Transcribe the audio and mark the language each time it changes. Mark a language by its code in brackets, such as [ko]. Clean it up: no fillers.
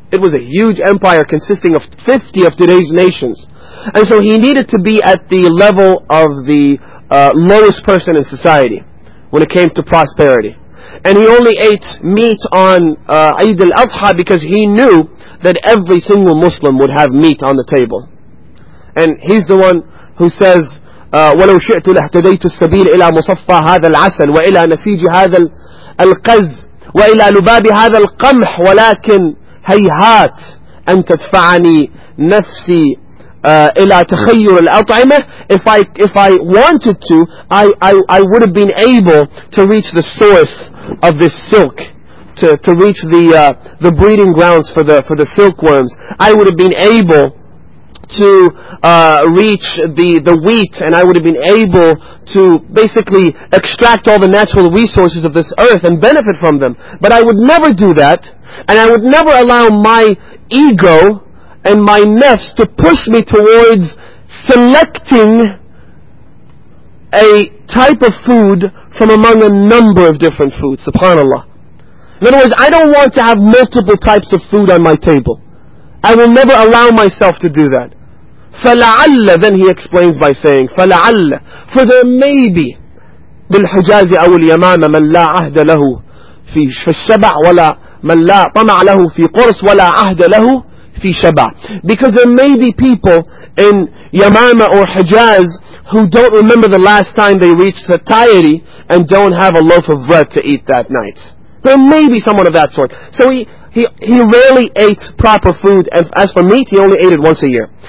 [en] It was a huge empire consisting of 50 of today's nations. And so he needed to be at the level of the lowest person in society when it came to prosperity. And he only ate meat on Eid al-Adha because he knew that every single Muslim would have meat on the table. And he's the one who says, [ar] وَلَوْ شِئْتُ لَهْتَدَيْتُ السَّبِيلِ إِلَى مُصَفَّى هَذَا الْعَسَلِ وَإِلَى نَسِيجِ هَذَا الْقَزِ وَإِلَى لُبَابِ هَذَا الْقَمْحِ وَلَكِنْ هَيْهَاتِ أَنْ تَدْفَعَنِي نَفْسِي إِلَى تَخَيُّرِ الْأَطْعِمَةِ. [en] If I wanted to, I would have been able to reach the source of this silk, to reach the breeding grounds for the silkworms. I would have been able to reach the wheat, and I would have been able to basically extract all the natural resources of this earth and benefit from them. But I would never do that, and I would never allow my ego and my nafs to push me towards selecting a type of food from among a number of different foods, subhanAllah. In other words, I don't want to have multiple types of food on my table. I will never allow myself to do that. [ar] فَلَعَلَّ, [en] then he explains by saying, [ar] فَلَعَلَّ, [en] for there may be, [ar] بِالْحُجَازِ أَوُ الْيَمَامَ مَنْ لَا عَهْدَ لَهُ فِي الشَّبَعْ وَلَا مَنْ لَا طَمَعَ لَهُ فِي قُرْسِ وَلَا عَهْدَ لَهُ فِي شَبَعْ. [en] Because there may be people in Yamama or Hijaz who don't remember the last time they reached satiety and don't have a loaf of bread to eat that night. There may be someone of that sort. So he rarely ate proper food, and as for meat, he only ate it once a year.